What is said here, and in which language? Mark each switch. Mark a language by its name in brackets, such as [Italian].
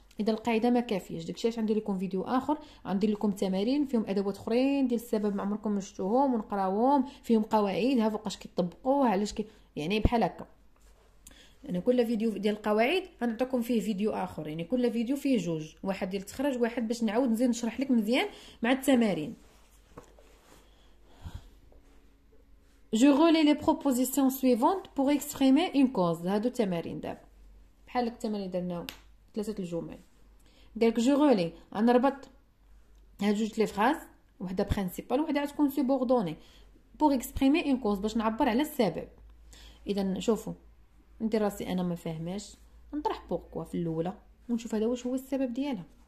[Arabic] اذا القاعده ما كافياش، داكشي علاش غندير لكم فيديو اخر، غندير لكم تمارين فيهم ادوات اخرين ديال السبب ما عمركم شفتوهم ونقراوهم، فيهم قواعد ها فوقاش كيطبقوها، علاش كي يعني بحال هكا. انا كل فيديو ديال القواعد غنعطيكم فيه فيديو اخر، يعني كل فيديو فيه جوج، واحد ديال التخرج واحد باش نعاود نزيد نشرح لك مزيان مع التمارين. [French] Je relis les propositions suivantes pour exprimer une cause. [Arabic] هادو تمارين دابا بحال التمارين درناهم ثلاثه الجمل. قالك جو رولي، غنربط هاد جوج لي فراز، وحده برينسيبال وحده غتكون سوبوردوني، بور اكسبريمي اون كوز، باش نعبر على السبب. اذا شوفوا ندير راسي انا ما فاهماش، نطرح بوركوا في الاولى ونشوف هذا واش هو السبب ديالها.